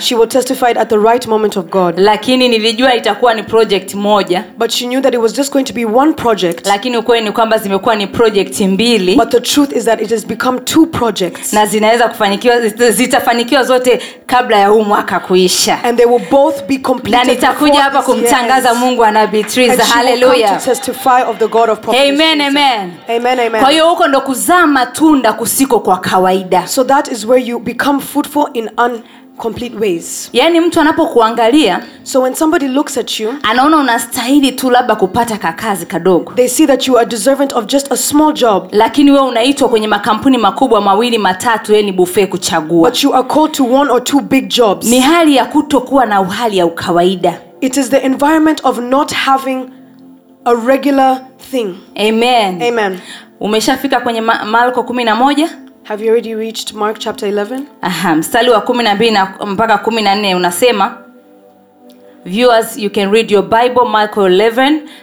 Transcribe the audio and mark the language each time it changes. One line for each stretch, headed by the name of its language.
English: She would testify at the right moment of God.
Swahili: Lakini nilijua itakuwa ni project moja.
English: But she knew that it was just going to be one project.
Swahili: Lakini ukweli ni kwamba zimekuwa ni project mbili.
English: But the truth is that it has become two projects.
Swahili: Na zinaweza kufanikiwa zitafanikiwa zote kabla ya huu mwaka kuisha.
English: And they will both be completed.
Swahili: Na nitakuja hapa kumtangaza Mungu ana Beatrice. Hallelujah.
English: And she will come to testify of the God of prophecy. Amen, amen. Amen, amen.
Swahili: Kwa hiyo huko ndo kuzaa matunda kusiko kwa kawaida.
English: So that is where you become fruitful in complete ways.
Swahili: Yaani mtu anapokuangalia,
English: so when somebody looks at you,
Swahili: anaona unastahili tu labda kupata kakazi kadogo.
English: They see that you are deserving of just a small job.
Swahili: Lakini wewe unaitwa kwenye makampuni makubwa mawili matatu, yeye ni buffet kuchagua.
English: But you are called to one or two big jobs.
Swahili: Ni hali ya kutokuwa na uhali ya kawaida.
English: It is the environment of not having a regular thing. Amen. Amen.
Swahili: Umeshafika kwenye Marko 11?
English: Have you already reached Mark chapter 11?
Swahili: Aha, mstari wa 12 mpaka 14 unasema.
English: Viewers, you can read your Bible, Mark 11.